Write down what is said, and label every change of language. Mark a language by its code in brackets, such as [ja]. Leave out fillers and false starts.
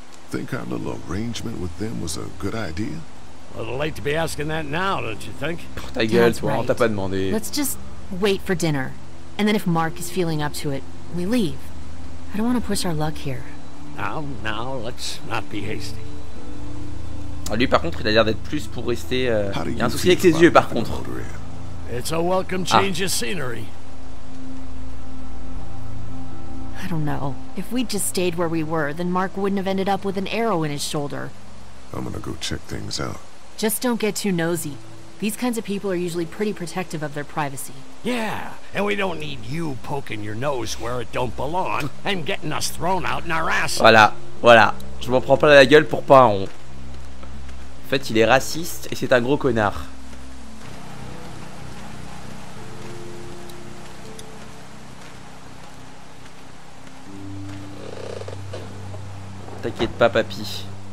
[en] Think our little arrangement with them was a good idea? A little late to be asking that now, don't you think? [fr] Ta gueule, toi, on t'a pas demandé. [en] Let's just wait for dinner. And then if Mark is feeling up to it, we leave. I don't want to push our luck here. Now, let's not be hasty. [fr] Lui, par contre, il a l'air d'être plus pour rester... Il y a un souci avec ses yeux, par contre. [en] It's a welcome change of scenery. I don't know. If we'd just stayed where we were, then Mark wouldn't have ended up with an arrow in his shoulder. I'm gonna go check things out. Just don't get too nosy. These kinds of people are usually pretty protective of their privacy. Yeah, and we don't need you poking your nose where it don't belong and getting us thrown out in our ass. [fr] Voilà, voilà. Je m'en prends pas la gueule pour pas un rond. En fait, il est raciste et c'est un gros connard. T'inquiète pas, papy.